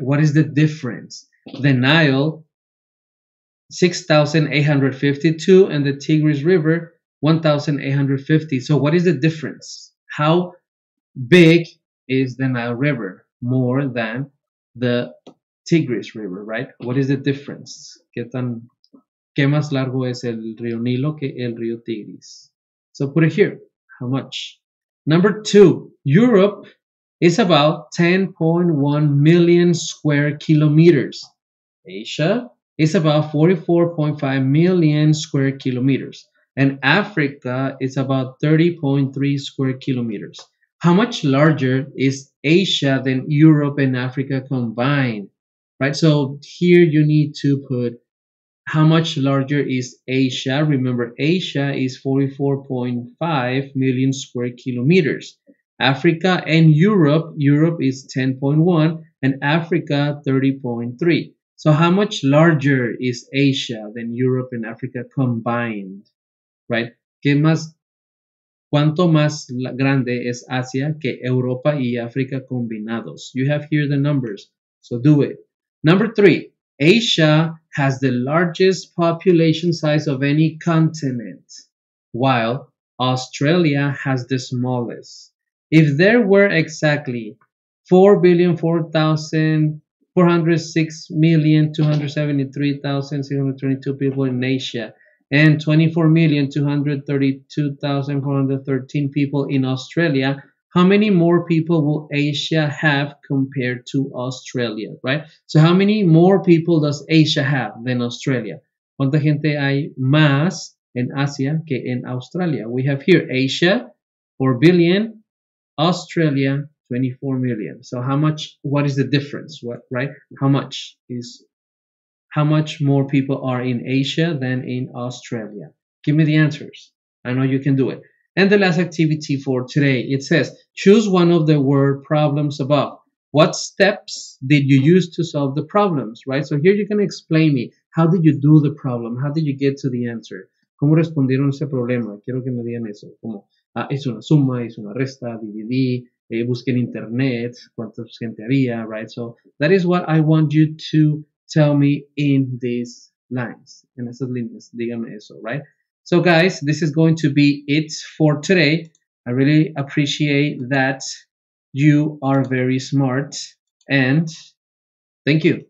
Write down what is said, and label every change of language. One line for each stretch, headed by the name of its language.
English: What is the difference? The Nile, 6,852, and the Tigris River, 1,850. So what is the difference? How big is the Nile River more than the Tigris River, right? What is the difference?
Spanish: ¿Qué tan, qué más largo es el río Nilo que el río Tigris?
English: So put it here. How much? Number two, Europe is about 10.1 million square kilometers. Asia is about 44.5 million square kilometers. And Africa is about 30.3 square kilometers. How much larger is Asia than Europe and Africa combined? Right? So here you need to put how much larger is Asia? Remember, Asia is 44.5 million square kilometers. Africa and Europe, Europe is 10.1 and Africa 30.3. So how much larger is Asia than Europe and Africa combined?
Spanish: Right? ¿Qué más? ¿Cuánto más grande es Asia que Europa y África combinados?
English: You have here the numbers, so do it. Number three, Asia has the largest population size of any continent, while Australia has the smallest. If there were exactly 4,406,273,622 people in Asia, and 24,232,413 people in Australia, how many more people will Asia have compared to Australia, right? So how many more people does Asia have than Australia?
Spanish: ¿Cuánta gente hay más en Asia que en Australia?
English: We have here Asia, 4 billion, Australia, 24 million. So how much, what is the difference, what, right? How much is, how much more people are in Asia than in Australia? Give me the answers. I know you can do it. And the last activity for today, it says, choose one of the word problems above. What steps did you use to solve the problems, right? So here you can explain me, how did you do the problem? How did you get to the answer?
Spanish: ¿Cómo respondieron ese problema? Quiero que me digan eso. ¿Cómo? Ah, es una suma, es una resta, dividí, busqué en internet, cuánta gente había, right?
English: So that is what I want you to tell me in these lines,
Spanish: en esas líneas, dígame eso,
English: right? So guys, this is going to be it for today. I really appreciate that you are very smart and thank you.